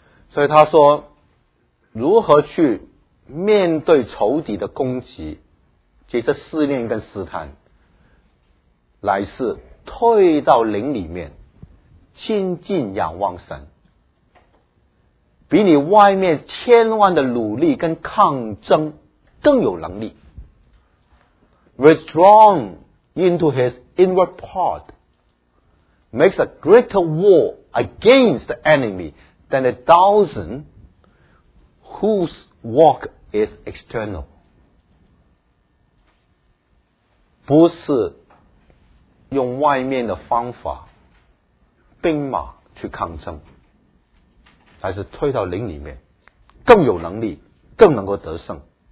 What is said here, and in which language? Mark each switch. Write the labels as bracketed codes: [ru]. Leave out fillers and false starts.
[zh] 所以他说如何去面对仇敌的攻击，接着试炼跟试探，乃是退到灵里面亲近仰望神，比你外面千万的努力跟抗争更有能力。 [en] Withdrawn into his inward part makes a greater war against the enemy than a thousand whose walk is external. [zh] 不是用外面的方法兵马去抗争，还是退到灵里面更有能力，更能够得胜。